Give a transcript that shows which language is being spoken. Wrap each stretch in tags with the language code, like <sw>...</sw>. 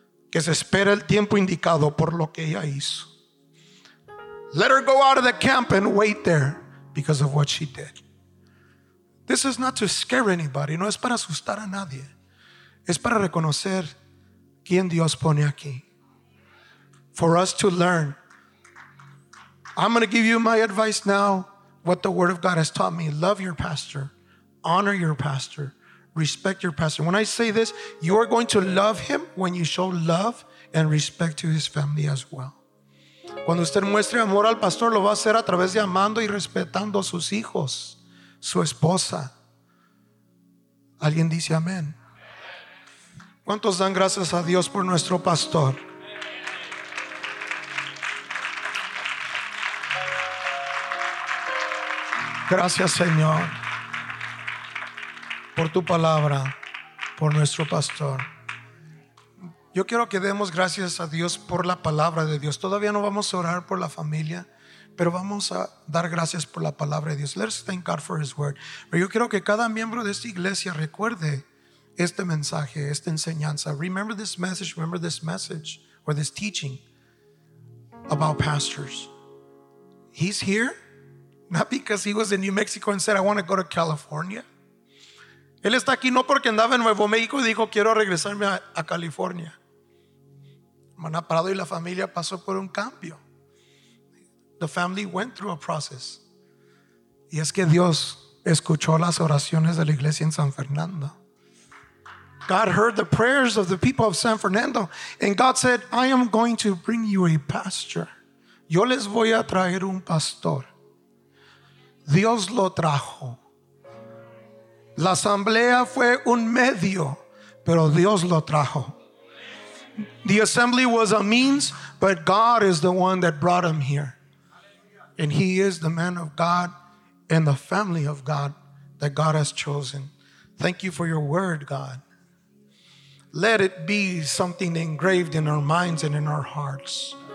<es>Que se espera el tiempo indicado por lo que ella hizo.</es> <en>Let her go out of the camp and wait there because of what she did. This is not to scare anybody.</en> <es>No es para asustar a nadie. Es para reconocer quién Dios pone aquí.</es> <en>For us to learn. I'm going to give you my advice now, what the Word of God has taught me. Love your pastor. Honor your pastor. Respect your pastor. When I say this, you are going to love him when you show love and respect to his family as well.</en> <es>Cuando usted muestre amor al pastor, lo va a hacer a través de amando y respetando a sus hijos, su esposa. ¿Alguien dice amén? ¿Cuántos dan gracias a Dios por nuestro pastor? Gracias, Señor, por tu palabra, por nuestro pastor. Yo quiero que demos gracias a Dios por la palabra de Dios. Todavía no vamos a orar por la familia, pero vamos a dar gracias por la palabra de Dios.</es> <en>Let's thank God for his word.</en> <es>Pero yo quiero que cada miembro de esta iglesia recuerde este mensaje, esta enseñanza.</es> <en>Remember this message or this teaching about pastors. He's here. Not because he was in New Mexico and said, I want to go to California.</en> <es>Él está aquí no porque andaba en Nuevo México y dijo, quiero regresarme a California. Maná Parado y la familia pasó por un cambio.</es> <en>The family went through a process.</en> <es>Y es que Dios escuchó las oraciones de la iglesia en San Fernando.</es> <en>God heard the prayers of the people of San Fernando. And God said, I am going to bring you a pastor.</en> <es>Yo les voy a traer un pastor. Dios lo trajo. La asamblea fue un medio, pero Dios lo trajo.</es> <en>The assembly was a means, but God is the one that brought him here. And he is the man of God and the family of God that God has chosen. Thank you for your word, God. Let it be something engraved in our minds and in our hearts.</en>